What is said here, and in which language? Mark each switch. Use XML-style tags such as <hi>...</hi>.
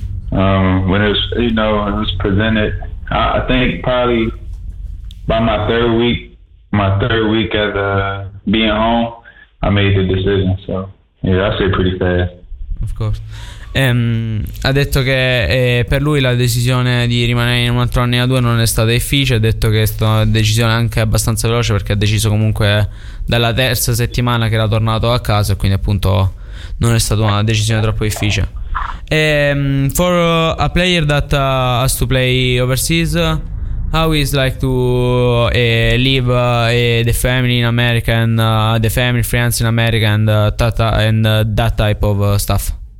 <en>When it was presented, I think probably by my third week as being home, I made the decision. So yeah, I say pretty fast. Of course.</en> <it>Ha detto che per lui la decisione di rimanere in un altro anno a due non è stata difficile. Ha detto che è stata una decisione anche abbastanza veloce, perché ha deciso comunque dalla terza settimana che era tornato a casa, e quindi appunto non è stata una decisione troppo difficile.</it> <en>For a player that has to play overseas, how is like to live the family in America, and the family, friends in America, and that type of stuff?</en>